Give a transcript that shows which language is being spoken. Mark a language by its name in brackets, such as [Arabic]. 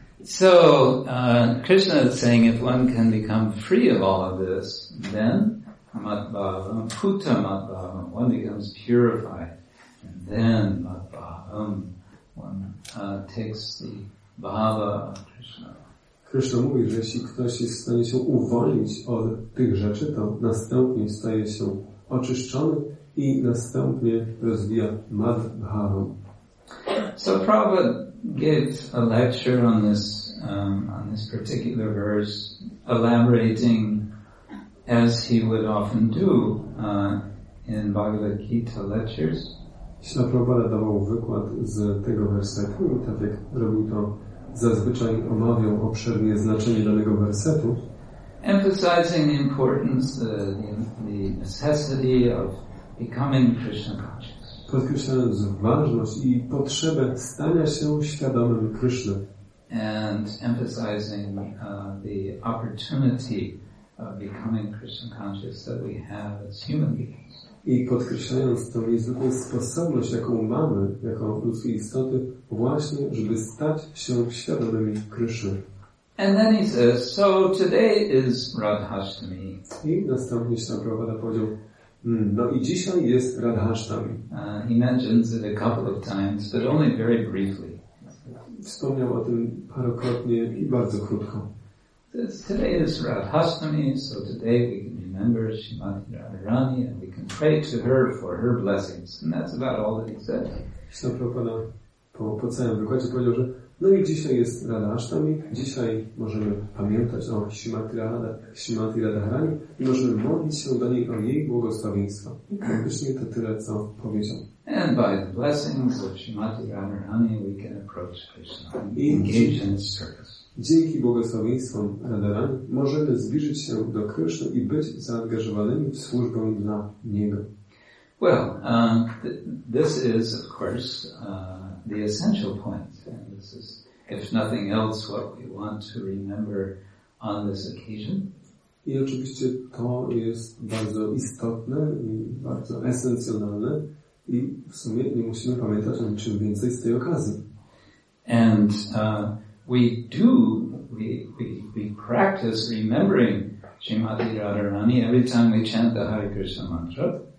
[English] So, Krishna is saying if one can become free of all of this, then matbhavam, puta matbhavam, one becomes purified. And then matbhavam, one takes the bhava of Krishna. [Polish] Krishna mówi, że jeśli ktoś jest w stanie się uwolnić od tych rzeczy, to następnie staje się oczyszczony i następnie rozwija madbhavam. [English] So Prabhupada gave a lecture on this particular verse, elaborating as he would often do in Bhagavad Gita lectures. [Polish] Śla Prabhupada dawał wykład z tego wersetu, tak jak robił to zazwyczaj, omawiał obszernie znaczenie danego wersetu. [English] Emphasizing the importance, the necessity of becoming Krishna conscious. [Polish] Podkreślając ważność i potrzebę stania się świadomym Krishna. [English] And emphasizing the opportunity of becoming Krishna conscious that we have as human beings. [Polish] I podkreślając tą niezwykłą sposobność, jaką mamy, jako ludzkie istoty, właśnie, żeby stać się świadomymi Krishna. [English] And then he says, so today is Radhashtami. [Polish] I następnie Śla Prabhupada powiedział, no i dzisiaj jest Radhashtami. [English] He mentions it a couple of times, but only very briefly. [Polish] Wspomniał o tym parokrotnie i bardzo krótko. [English] Today is Radhashtami, so today we can remember Srimati Radharani and we can pray to her for her blessings. And that's about all that he said. [Polish] Śla Prabhupada po całym wykładzie powiedział, że no i dzisiaj jest Radhashtami, dzisiaj możemy pamiętać o Srimati Radharani i możemy modlić się do niej o jej błogosławieństwo. I praktycznie to tyle, co powiedział. [English] And by the blessings of Srimati Radharani we can approach Krishna and engage in service. [Polish] Dzięki błogosławieństwom Radharani możemy zbliżyć się do Krishna i być zaangażowanymi w służbę dla Niego. [English] Well, this is, of course, the essential point. And this is, if nothing else, what we want to remember on this occasion. [Polish] I oczywiście to jest bardzo istotne i bardzo esencjonalne. I w sumie nie musimy pamiętać o niczym więcej z tej okazji. [English] And we practice remembering Srimati Radharani every time we chant the Hare Krishna mantra.